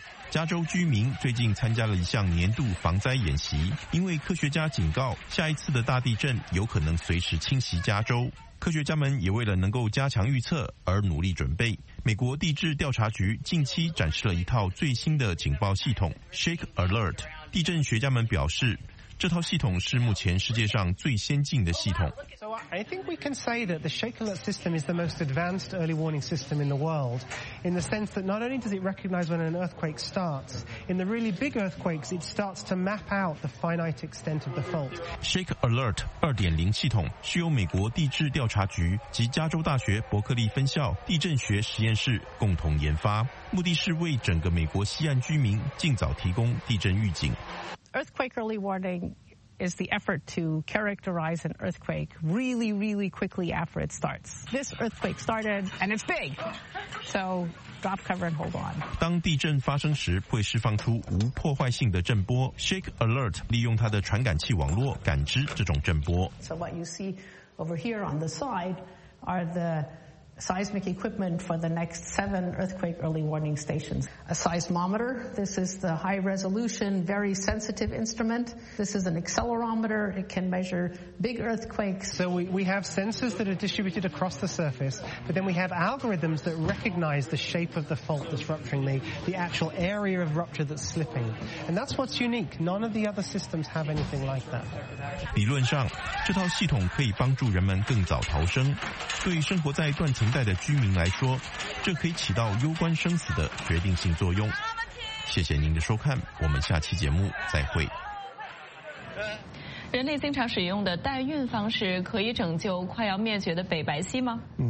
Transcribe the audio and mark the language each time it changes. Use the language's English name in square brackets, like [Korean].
[Chinese] 加州居民最近参加了一项年度防灾演习，因为科学家警告下一次的大地震有可能随时侵袭加州，科学家们也为了能够加强预测而努力准备。美国地质调查局近期展示了一套最新的警报系统 Shake Alert， 地震学家们表示这套系统是目前世界上最先进的系统。 [English] So I think we can say that the Shake Alert system is the most advanced early warning system in the world, in the sense that not only does it recognize when an earthquake starts, in the really big earthquakes, it starts to map out the finite extent of the fault. [Chinese] Shake Alert 2.0 系统是由美国地质调查局及加州大学伯克利分校地震学实验室共同研发，目的是为整个美国西岸居民尽早提供地震预警。 [English] Earthquake early warning is the effort to characterize an earthquake really, really quickly after it starts. This earthquake started and it's big. So drop cover and hold on. [Chinese] 当地震发生时会释放出无破坏性的震波。 Shake Alert 利用它的传感器网络感知这种震波。 [English] So what you see over here on the side are the seismic equipment for the next 7 earthquake early warning stations. A seismometer, this is the high resolution, very sensitive instrument. This is an accelerometer, it can measure big earthquakes. So we have sensors that are distributed across the surface, but then we have algorithms that recognize the shape of the fault that's rupturing, the actual area of rupture that's slipping. And that's what's unique. None of the other systems have anything like that. [Chinese] 理论上，这套系统可以帮助人们更早逃生。对生活在断层一带的居民来说，这可以起到攸关生死的决定性作用。谢谢您的收看，我们下期节目再会。人类经常使用的代孕方式可以拯救快要灭绝的北白犀吗？